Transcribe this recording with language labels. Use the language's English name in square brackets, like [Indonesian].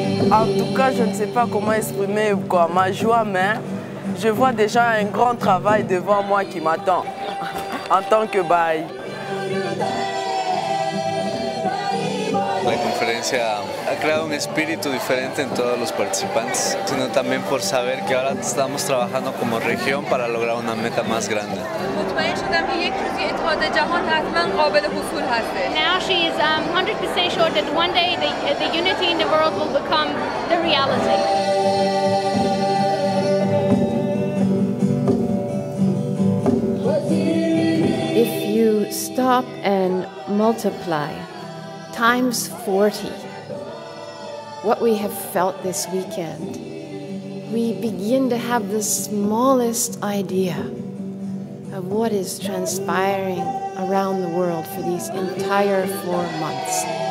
[French] En tout cas, je ne sais pas comment exprimer quoi, ma joie, mais je vois déjà un grand travail devant moi qui m'attend en tant que Bahá'í. [Spanish] La conferencia ha creado un espíritu diferente en todos los participantes, sino también por saber que ahora estamos trabajando como región para lograr una meta más grande. [English] Now she is 100% sure that one day the unity in the world will become the reality. If you stop and multiply times 40 what we have felt this weekend, we begin to have the smallest idea of what is transpiring around the world for these entire 4 months.